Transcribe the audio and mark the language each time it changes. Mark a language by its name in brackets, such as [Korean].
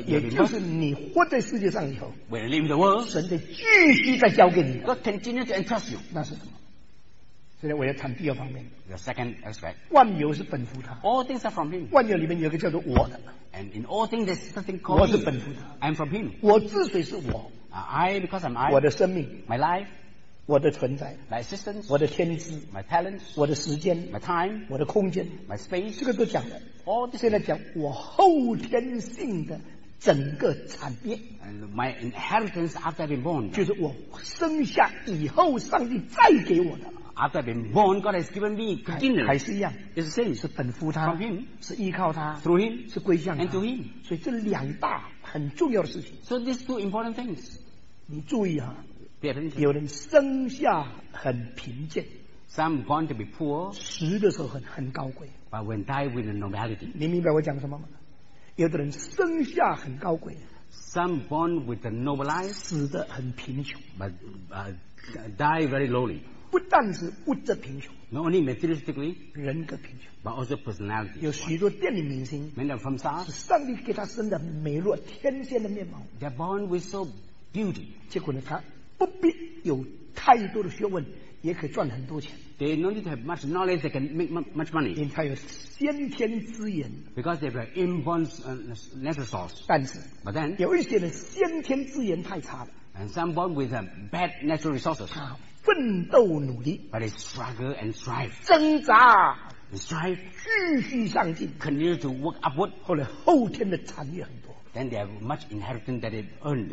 [Chinese] 也就是你活在世界上以后, [English] when you leave the world, [Chinese] 神得继续再交给你, [English] God continue to entrust you. [Chinese] 那是什么?现在我要谈第二方面, [English] the second aspect, [Chinese] 万有是本乎他, [English] all things are from him. [Chinese] 万有里面有一个叫做我的, [English] and in all things there's something called [Chinese] 我是本乎他, [English] I'm from him. [Chinese] 我自己是我, [English] I because I'm I, [Chinese] 我的生命, [English] my life, [Chinese] 我的存在, [English] my existence, [Chinese] 我的天资, [English] my talents, [Chinese] 我的时间, [English] my time, [Chinese] 我的空间, [English] my space, [Chinese] 这个都讲了, 现在讲我后天性的整个产业, [English] and my inheritance after I've been born, [Chinese] 就是我生下以后上帝再给我的, [English] after I've been born, God has given me continually, [Chinese] 还是一样, [English] it's the same, [Chinese] 是本乎他, [English] from him, [Chinese] 是依靠他, [English] through him, [Chinese] 是归向他, [English] and to him. [Chinese] 所以这两大很重要的事情, [English] so these two important things, [Chinese] 你注意啊, 有人生下很贫贱, [English] some born to be poor, [Chinese] 死的时候很高贵, [English] but when die with a normality, [Chinese] 你明白我讲什么吗?有的人生下很高贵, [English] some born with a noble life, [Chinese] 死得很贫穷, [English] but die very lowly, [Chinese] 不但是物质贫穷, [English] not only materialistically, [Chinese] 人格贫穷, [English] but also personality, [Chinese] 有许多电影明星, [English] many from stars, [Chinese] 是上帝给他生的美若天仙的面貌, [English] they're born with so beauty, [Chinese] 结果呢他 不必有太多的学问, 也可以赚很多钱, [English] they don't need to have much knowledge, they can make much money, [Chinese] 因为他有先天资源, [English] because they have an inborn natural source. [Chinese] 但是, [English] but then, [Chinese] 有一些人先天资源太差了, [English] and some born with bad natural resources, [Chinese] 他奋斗努力, [English] but they struggle and strive, [Chinese] 挣扎, [English] they strive, [Chinese] 继续上进, [English] continue to work upward, [Chinese] 后来后天的产业很多, [English] then they have much inheritance that they've earned.